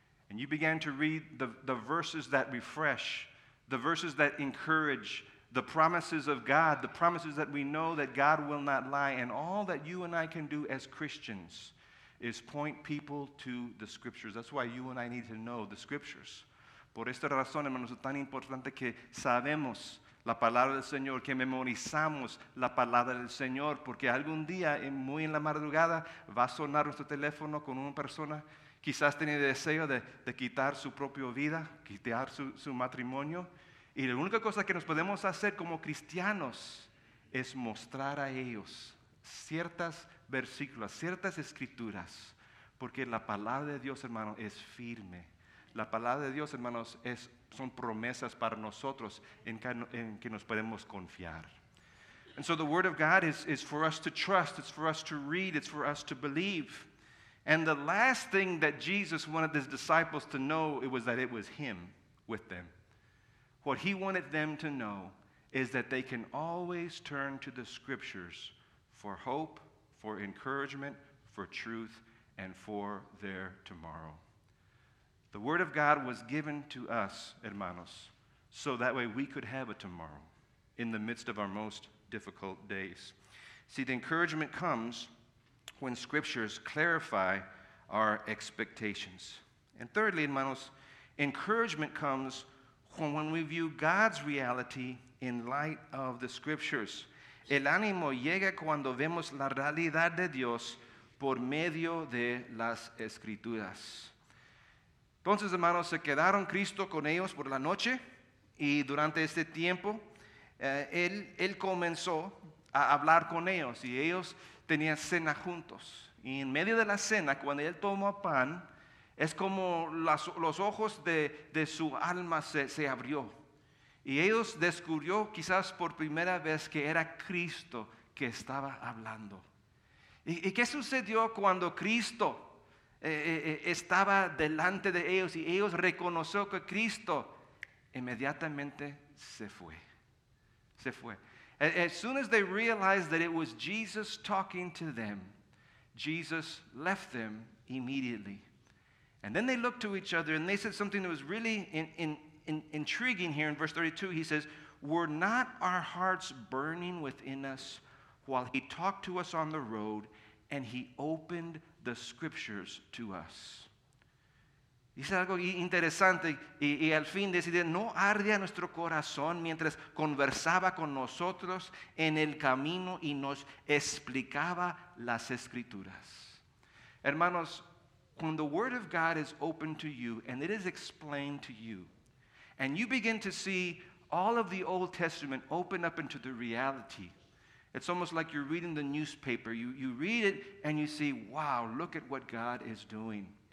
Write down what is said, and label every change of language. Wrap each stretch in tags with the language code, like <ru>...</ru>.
<en>And you began to read the verses that refresh, the verses that encourage, the promises of God, the promises that we know that God will not lie. And all that you and I can do as Christians is point people to the scriptures. That's why you and I need to know the scriptures.</en> <es>Por esta razón, hermanos, es tan importante que sabemos la palabra del Señor, que memorizamos la palabra del Señor, porque algún día, muy en la madrugada, va a sonar nuestro teléfono con una persona, quizás tiene deseo de quitar su propia vida, quitar su matrimonio, y la única cosa que nos podemos hacer como cristianos es mostrar a ellos ciertas versículos, ciertas escrituras, porque la palabra de Dios, hermano, es firme. La palabra de Dios, hermanos, son promesas para nosotros en que nos podemos confiar.</es> <en>And so the word of God is for us to trust, it's for us to read, it's for us to believe. And the last thing that Jesus wanted his disciples to know, it was that it was him with them. What he wanted them to know is that they can always turn to the scriptures for hope, for encouragement, for truth, and for their tomorrow. The word of God was given to us, hermanos, so that way we could have a tomorrow in the midst of our most difficult days. See, the encouragement comes when scriptures clarify our expectations. And thirdly, hermanos, encouragement comes when we view God's reality in light of the scriptures.</en> <es>El ánimo llega cuando vemos la realidad de Dios por medio de las escrituras. Entonces, hermanos, se quedaron Cristo con ellos por la noche y durante este tiempo, él comenzó a hablar con ellos y ellos tenían cena juntos. Y en medio de la cena, cuando él tomó pan, es como los ojos de su alma se abrió. Y ellos descubrió quizás por primera vez que era Cristo que estaba hablando. ¿Y qué sucedió cuando Cristo estaba delante de ellos y ellos reconoció que Cristo inmediatamente se fue? Se fue.</es> <en>As soon as they realized that it was Jesus talking to them, Jesus left them immediately. And then they looked to each other and they said something that was really intriguing here in verse 32. He says, "Were not our hearts burning within us while he talked to us on the road and he opened the scriptures to us?"</en> <es>Dice algo interesante y al fin decide, ¿no arde nuestro corazón mientras conversaba con nosotros en el camino y nos explicaba las escrituras?</es> <en>Hermanos, when the word of God is open to you and it is explained to you, and you begin to see all of the Old Testament open up into the reality, it's almost like you're reading the newspaper. You read it and you see, wow, look at what God is doing.</en>